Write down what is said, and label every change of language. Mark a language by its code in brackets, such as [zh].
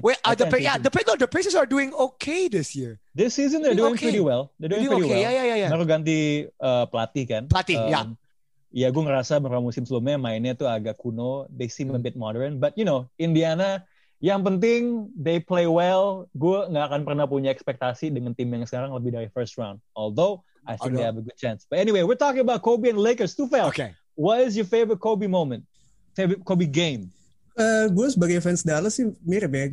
[en] Wait, the Pacers are doing okay this year. This season they're doing pretty well. Yeah. [id] Mereka ganti pelatih kan? Pelatih, ya. Ya, gue ngerasa beberapa musim sebelumnya mainnya tuh agak kuno. [en] They seem a bit modern. But, you know, Indiana, [id] yang penting, [en] they play well. [id] Gue gak akan pernah punya ekspektasi dengan tim yang sekarang lebih dari [en] first round. Although, I think they have a good chance. But anyway, we're talking about Kobe and Lakers. Tufel, what is your favorite Kobe moment? Favorite Kobe game? [id] Gue sebagai fans Dallas sih mirip ya.